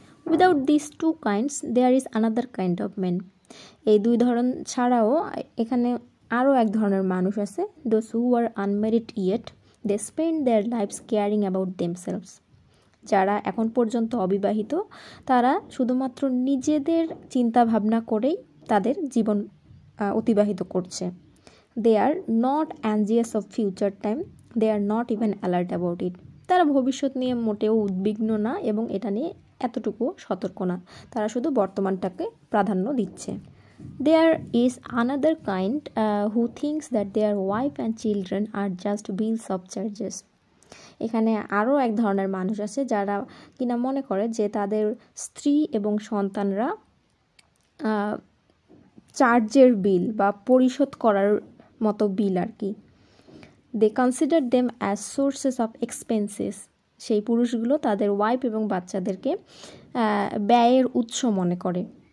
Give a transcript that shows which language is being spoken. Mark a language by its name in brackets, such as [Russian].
[English] Without this two kinds there is another kind of man. [Bangla] এই দুই ধরন ছাড়াও এখানে আরও এক ধরনের মানুষ আছে। [English] Those who are unmarried yet they spend their lives caring about themselves. [Bangla] যারা এখন পর্যন্ত অবিবাহিত তারা শুধুমাত্র নিজেদের চিন্তাভাবনা করেই তাদের জীবন অতিবাহিত করছে। [English] They are not anxious of future time. They are not even alert about it. [Bangla] তারা ভবিষ্যৎ নিয়ে মোটেও উদ্বিগ্ন না এবং এটা নিয়ে এতটুকু সতর্ক না। তারা শুধু বর্তমানটাকে প্রাধান্য দিচ্ছে। [English] There is another kind who thinks that their wife and children are just bills of charges. [Bangla] এখানে আরও এক ধরনের মানুষ আছে যারা কিনা মনে করে যে তাদের স্ত্রী এবং সন্তানরা চার্জের বিল বা পরিশোধ করার মতো বিল আর কি। [English] They consider them as sources of expenses. [Bangla] সেই পুরুষগুলো তাদের ওয়াইফ এবং বাচ্চাদেরকে ব্যয়ের উৎস মনে করে।